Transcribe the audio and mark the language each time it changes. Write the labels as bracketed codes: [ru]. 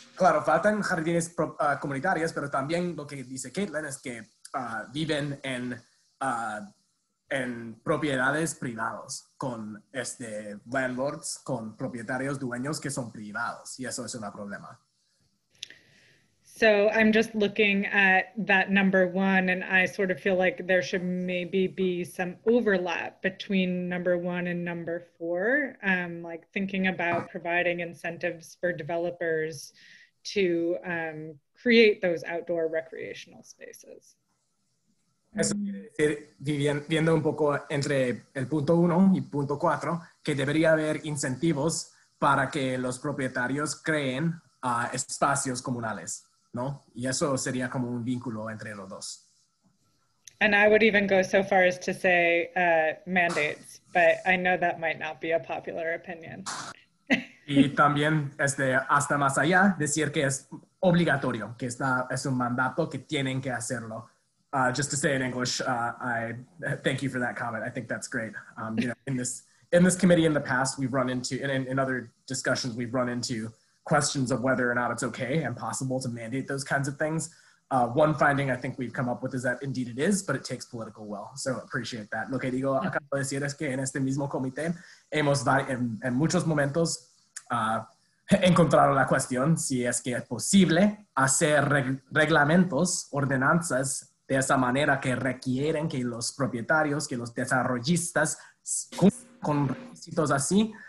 [es] Claro, faltan jardines comunitarios, pero también lo que dice Caitlin es que viven en propiedades privadas, con landlords, con propietarios dueños que son privados, y eso es un problema. [en] So I'm just looking at that number one, and I sort of feel like there should maybe be some overlap between number one and number four, like thinking about providing incentives for developers to create those outdoor recreational spaces. [es] Eso quiere decir, viendo un poco entre el punto uno y punto cuatro, que debería haber incentivos para que los propietarios creen espacios comunales, ¿no? Y eso sería como un vínculo entre los dos. [en] And I would even go so far as to say mandates, but I know that might not be a popular opinion. [es] Y también hasta más allá, decir que es obligatorio, que es un mandato que tienen que hacerlo. [en] Just to say in English, I thank you for that comment. I think that's great. In this committee in the past, we've run into, and in other discussions, we've run into questions of whether or not it's okay and possible to mandate those kinds of things. One finding I think we've come up with is that indeed it is, but it takes political will. So appreciate that. [es] Lo que digo, acabo de decir es que en este mismo comité, hemos, en muchos momentos, encontrar la cuestión si es que es posible hacer reglamentos, ordenanzas de esa manera que requieren que los propietarios, que los desarrollistas cumplan con requisitos así.